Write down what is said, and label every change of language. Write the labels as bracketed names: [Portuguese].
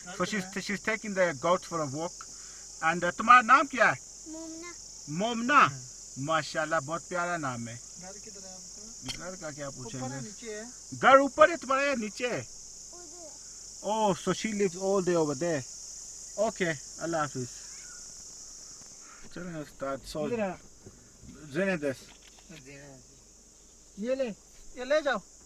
[English] So she's taking the goats for a walk. [Hindi] And तुम्हारा नाम क्या है? मोमना. माशाल्लाह बहुत प्यारा नाम है. घर किधर है आपका? घर का क्या पूछेंगे? ऊपर नीचे है. घर ऊपर है तुम्हारा या नीचे? [English] Oh, so she lives all day over there. Okay, Allah Hafiz. Children have started. So, Zenedes. [Hindi] Yele, jao.